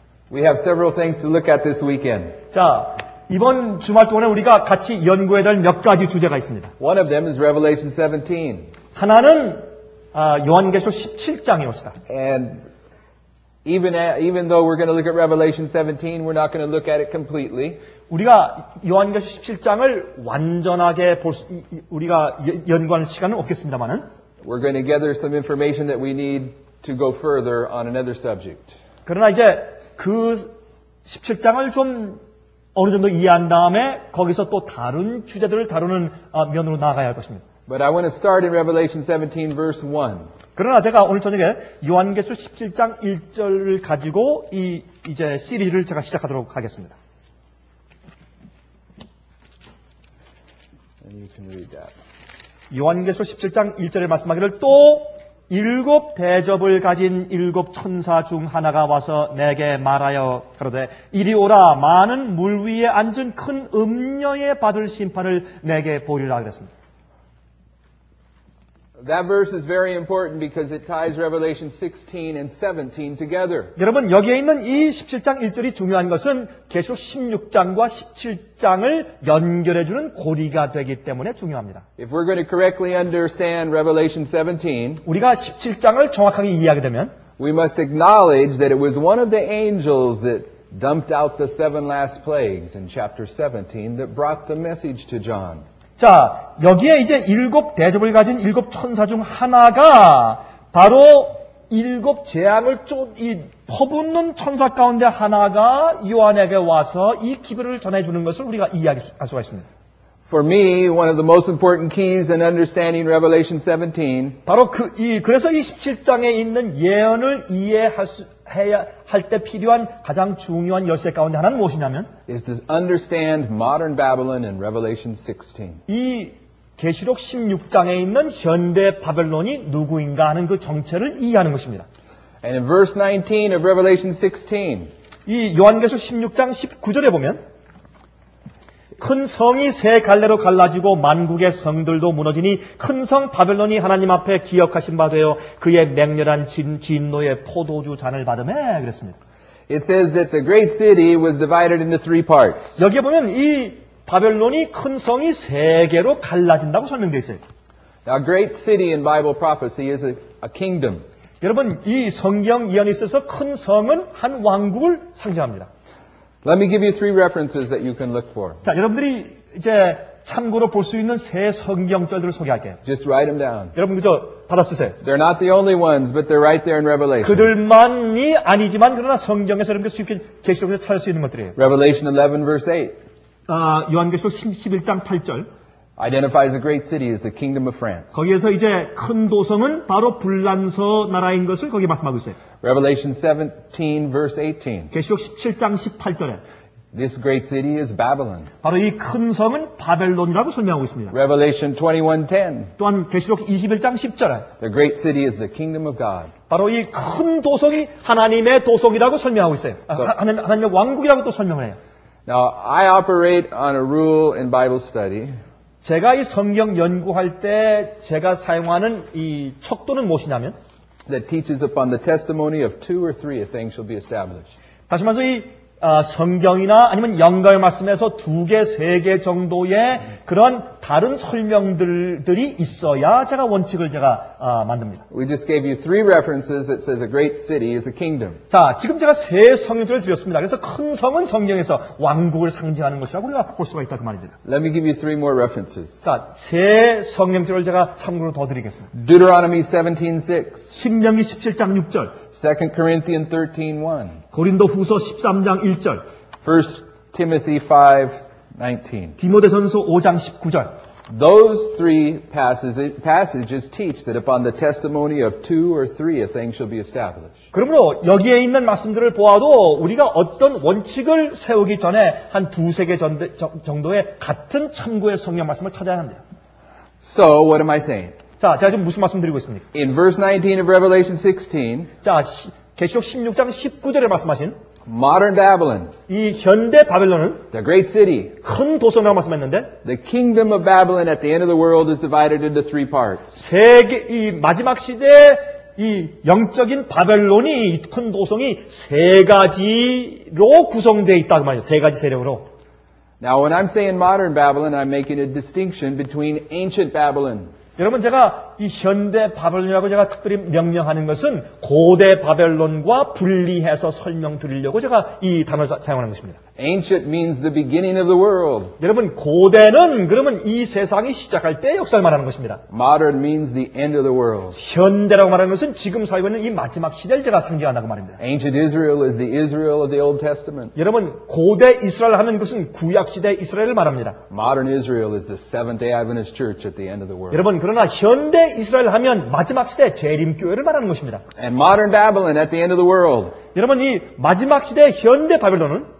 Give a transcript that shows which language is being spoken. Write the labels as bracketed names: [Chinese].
[English] We have several things to look at this weekend. [Korean] 자, 이번 주말 동안에 우리가 같이 연구해야 될 몇 가지 주제가 있습니다. [English] One of them is Revelation 17. [Korean] 하나는 요한계시록 17장에 옵니다. [English] And even though we're going to look at Revelation 17, we're not going to look at it completely. [Korean] 우리가 요한계시록 17장을 완전하게 볼 수, 우리가 연구할 시간은 없겠습니다만은 [English] We're going to gather some information that we need to go further on another subject. [Korean] 그러나 이제 그 17장을 좀 어느 정도 이해한 다음에 거기서 또 다른 주제들을 다루는 면으로 나아가야 할 것입니다. [English] But I want to start in Revelation 17 verse 1. [Korean] 그러나 제가 오늘 저녁에 요한계시록 17장 1절을 가지고 이제 시리즈를 제가 시작하도록 하겠습니다. [English] And you can read that. [Korean] 요한계시록 17장 1절에 말씀하기를 또 일곱 대접을 가진 일곱 천사 중 하나가 와서 내게 말하여 그러되 이리 오라 많은 물 위에 앉은 큰 음녀의 받을 심판을 내게 보리라 그랬습니다. [English] That verse is very important because it ties Revelation 16 and 17 together. [Korean] 여러분 여기에 있는 이 17장 1절이 중요한 것은 계시록 16장과 17장을 연결해 주는 고리가 되기 때문에 중요합니다. [English] If we're going to correctly understand Revelation 17, [Korean] 우리가 17장을 정확하게 이해하게 되면 [English] we must acknowledge that it was one of the angels that dumped out the seven last plagues in chapter 17 that brought the message to John. [Korean] 자, 여기에 이제 일곱 대접을 가진 일곱 천사 중 하나가 바로 일곱 재앙을 쫓, 이 퍼붓는 천사 가운데 하나가 요한에게 와서 이 기별을 전해주는 것을 우리가 이해할 수가 있습니다. [English] For me, one of the most important keys in understanding Revelation 17. [Korean] 바로 그래서 이 17장에 있는 예언을 이해할 때 필요한 가장 중요한 열쇠 가운데 하나는 무엇이냐면 [English] is to understand modern Babylon in Revelation 16. [Korean] 이 계시록 16장에 있는 현대 바벨론이 누구인가 하는 그 정체를 이해하는 것입니다. [English] And in verse 19 of Revelation 16. [Korean] 이 요한계시록 16장 19절에 보면 큰 성이 세 갈래로 갈라지고 만국의 성들도 무너지니 큰 성 바벨론이 하나님 앞에 기억하신 바 되어 그의 맹렬한 진노의 포도주 잔을 받음에 그랬습니다. [English] It says that the great city was divided into three parts. [Korean] 여기에 보면 이 바벨론이 큰 성이 세 개로 갈라진다고 설명되어 있어요. [English] A great city in Bible prophecy is a kingdom. [Korean] 여러분 이 성경 예언에 있어서 큰 성은 한 왕국을 상징합니다. [English] Let me give you three references that you can look for. [Korean] 자, 여러분들이 이제 참고로 볼 수 있는 세 성경절들을 소개할게요. [English] Just write them down. [Korean] 여러분 그저 받아 쓰세요. [English] They're not the only ones, but they're right there in Revelation. [Korean] 그들만이 아니지만 그러나 성경에서 여러분들 쉽게 계시록에서 찾을 수 있는 것들이에요. [English] Revelation 11 verse 8. [Korean] 요한계시록 11장 8절. [English] Identifies a great city as the kingdom of France. [Korean] 거기에서 이제 큰 도성은 바로 불란서 나라인 것을 거기에 말씀하고 있어요. [English] Revelation 17 verse 18. [Korean] 계시록 17장 18절에 [English] This great city is Babylon. [Korean] 바로 이 큰 성은 바벨론이라고 설명하고 있습니다. [English] Revelation 21:10. [Korean] 또한 계시록 21장 10절에 [English] The great city is the kingdom of God. [Korean] 바로 이 큰 도성이 하나님의 도성이라고 설명하고 있어요. So, 하나님의 왕국이라고 또 설명을 해요. [English] Now I operate on a rule in Bible study. [Korean] 제가 이 성경 연구할 때 제가 사용하는 이 척도는 무엇이냐면 [English] that teaches upon the testimony of two or three a thing shall be established. [Korean] 다시 말해서 이 성경이나 아니면 영감의 말씀에서 두 개, 세 개 정도의 그런 다른 설명들이 있어야 제가 원칙을 제가 만듭니다. [English] We just gave you three references that says a great city is a kingdom. [Korean] 자, 지금 제가 세 성경들을 드렸습니다. 그래서 큰 성은 성경에서 왕국을 상징하는 것이라고 우리가 볼 수가 있다 그 말입니다. [English] Let me give you three more references. [Korean] 자, 세 성경들을 제가 참고로 더 드리겠습니다. [English] Deuteronomy 17:6. [Korean] 신명기 17장 6절. [English] 2 Corinthians 13:1. [Korean] 고린도 후서 13장 1절. [English] 1 Timothy 5:19. [Korean] 디모데전서 5장 19절. [English] Those three passages teach that upon the testimony of two or three a thing shall be established. [Korean] 그러므로 여기에 있는 말씀들을 보아도 우리가 어떤 원칙을 세우기 전에 한 두세 개 정도의 같은 참고의 성경 말씀을 찾아야 합니다. [English] So what am I saying? [Korean] 자, 제가 지금 무슨 말씀 드리고 있습니까? [English] In verse 19 of Revelation 16. [Korean] 자, 계시록 16장 19절에 말씀하신 [English] Modern Babylon. [Korean] 이 현대 바벨론은 [English] The great city. [Korean] 큰 도성이라고 말씀했는데 [English] The kingdom of Babylon at the end of the world is divided into three parts. [Korean] 세계 이 마지막 시대 이 영적인 바벨론이 큰 도성이 세 가지로 구성되어 있다 그 말이에요. 세 가지 세력으로. [English] Now when I'm saying modern Babylon, I'm making a distinction between ancient Babylon. [Korean] 여러분 제가 이 현대 바벨론이라고 제가 특별히 명명하는 것은 고대 바벨론과 분리해서 설명드리려고 제가 이 단어를 사용하는 것입니다. [English] Ancient means the beginning of the world. [Korean] 여러분 고대는 그러면 이 세상이 시작할 때 역사를 말하는 것입니다. [English] Modern means the end of the world. [Korean] 현대라고 말하는 것은 지금 살고 있는 이 마지막 시대를 제가 상징한다고 말입니다. [English] Ancient Israel is the Israel of the Old Testament. [Korean] 여러분 고대 이스라엘 하는 것은 구약 시대 이스라엘을 말합니다. [English] Modern Israel is the Seventh-day Adventist Church at the end of the world. [Korean] 여러분 그러나 현대 이스라엘 하면 마지막 시대 재림교회를 말하는 것입니다. [English] And modern Babylon at the end of the world. [Korean] 여러분 이 마지막 시대 현대 바벨론은